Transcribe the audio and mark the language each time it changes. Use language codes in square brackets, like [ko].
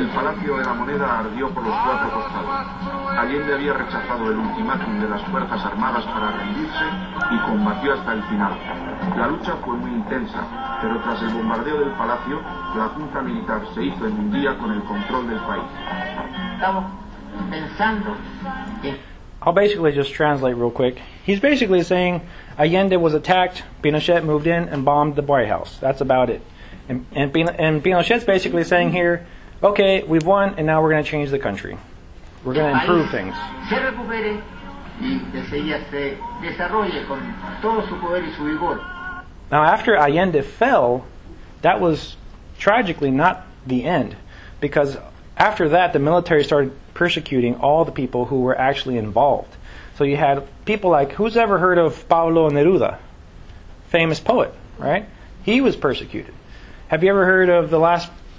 [es] El Palacio de la Moneda ardió por los cuatro costados. Allende había rechazado el ultimátum de las Fuerzas Armadas para rendirse y combatió hasta el final. La lucha fue muy intensa, pero tras el bombardeo del palacio, la junta militar se hizo en un día con el control del país. Estamos pensando que... [en] I'll basically just translate real quick. He's basically saying Allende was attacked, Pinochet moved in and bombed the White House. That's about it. And Pinochet's basically saying here, okay, we've won, and now we're going to change the country. We're going to improve things. [es] Se recupere y que se desarrolle con todo su poder y su vigor. [en] Now, after Allende fell, that was tragically not the end, because after that, the military started persecuting all the people who were actually involved. So you had people like, who's ever heard of Pablo Neruda? Famous poet, right? He was persecuted. Have you ever heard of the last...